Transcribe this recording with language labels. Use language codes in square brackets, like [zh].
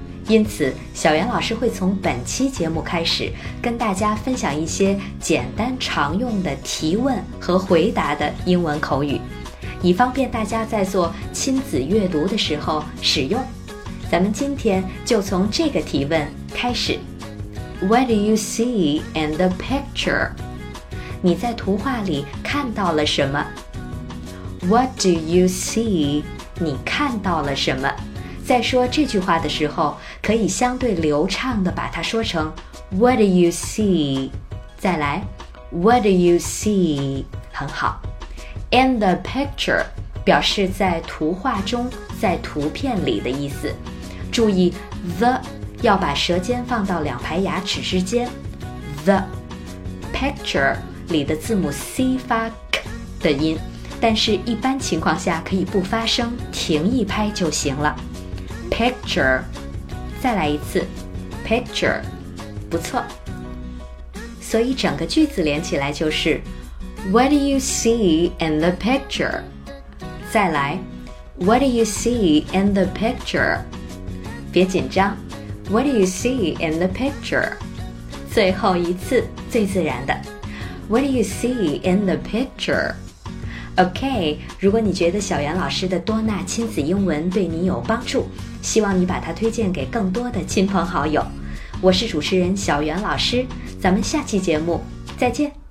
[zh] 因此，小袁老师会从本期节目开始跟大家分享一些简单常用的提问和回答的英文口语，以方便大家在做亲子阅读的时候使用。咱们今天就从这个提问开始。 [en] What do you see in the picture? [zh] 你在图画里看到了什么？ [en] What do you see? [zh] 你看到了什么？在说这句话的时候，可以相对流畅地把它说成 [en] What do you see? [zh] 再来 [en] What do you see? [zh] 很好。 In the picture 表示在图画中，在图片里的意思。注意 the 要把舌尖放到两排牙齿之间。 The picture 里的字母 C 发 K 的音，但是一般情况下可以不发声，停一拍就行了。 Picture, 再来一次 Picture, 不错。所以整个句子连起来就是 [en] What do you see in the picture? [zh] 再来 [en] What do you see in the picture? [zh] 别紧张 [en] What do you see in the picture? [zh] 最后一次最自然的 [en] What do you see in the picture? [zh] OK, 如果你觉得小袁老师的多纳亲子英文对你有帮助，希望你把它推荐给更多的亲朋好友。我是主持人小袁老师，咱们下期节目再见。